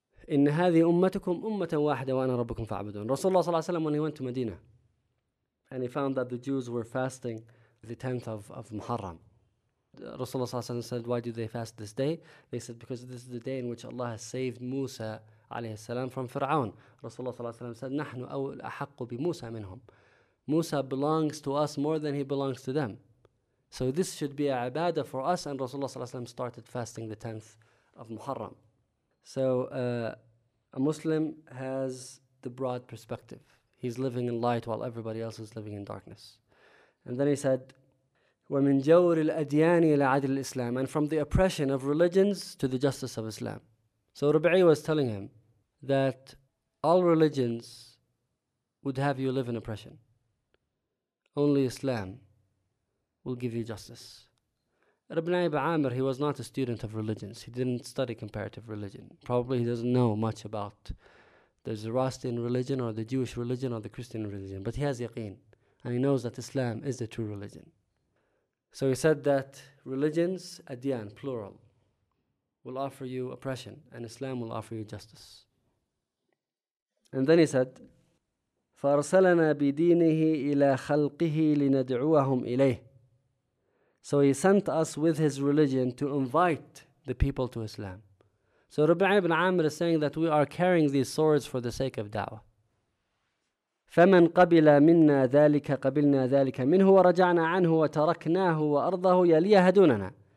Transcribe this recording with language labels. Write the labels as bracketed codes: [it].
[ar] إِنَّ هَذِهِ أُمَّتُكُمْ أُمَّةً وَاحِدَةً وَأَنَا رَبُّكُمْ فَعَبُدُونَ. [en] Rasulullah sallallahu alayhi wa sallam, when he went to Medina, and he found that the Jews were fasting the 10th of Muharram. Rasulullah said, why do they fast this day? They said, because this is the day in which Allah has saved Musa alayhi salam from Fir'aun. Rasulullah said, [ar] نَحْنُ أَوْلَ أَحَقُّ بِمُوسَى مِنْهُمْ. [en] Musa belongs to us more than he belongs to them. So this should be a ibadah for us. And Rasulullah started fasting the 10th of Muharram. So a Muslim has the broad perspective. He's living in light while everybody else is living in darkness. And then he said, [ar] وَمِنْ جَوْرِ الْأَدْيَانِ لَعَدِلِ الْإِسْلَامِ. [en] And from the oppression of religions to the justice of Islam. So Rabi'i was telling him that all religions would have you live in oppression. Only Islam will give you justice. Ibn Abi Amr, he was not a student of religions. He didn't study comparative religion. Probably he doesn't know much about the Zoroastrian religion or the Jewish religion or the Christian religion. But he has yaqeen. And he knows that Islam is the true religion. So he said that religions, adyan, plural, will offer you oppression. And Islam will offer you justice. And then he said, [ar] فَأَرْسَلَنَا بِدِينِهِ إِلَى خَلْقِهِ لِنَدْعُوَهُمْ إِلَيْهِ. [en] So he sent us with his religion to invite the people to Islam. So Rabi' ibn Amr is saying that we are carrying these swords for the sake of da'wah. [ar] فَمَنْ قَبِلَ مِنَّا ذَلِكَ قَبِلْنَا ذَلِكَ مِنْهُ وَرَجَعْنَا عَنْهُ وَتَرَكْنَاهُ وَأَرْضَهُ يَلِيَهَ دُونَنَا.